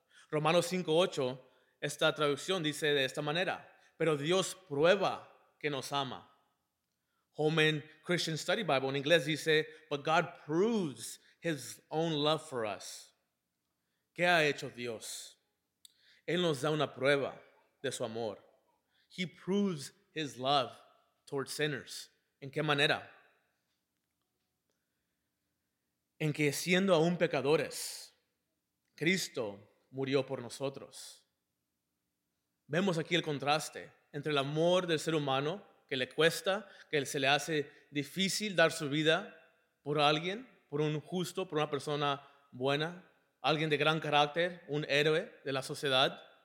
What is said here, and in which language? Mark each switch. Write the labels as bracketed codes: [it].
[es] Romanos 5:8, esta traducción dice de esta manera, pero Dios prueba que nos ama. [en] Holman Christian Study Bible [es] en inglés dice, [en] but God proves his own love for us. [es] ¿Qué ha hecho Dios? Él nos da una prueba de su amor. [en] He proves his love towards sinners. [es] ¿En qué manera? En que siendo aún pecadores, Cristo murió por nosotros. Vemos aquí el contraste entre el amor del ser humano que le cuesta, que se le hace difícil dar su vida por alguien, por un justo, por una persona buena, alguien de gran carácter, un héroe de la sociedad.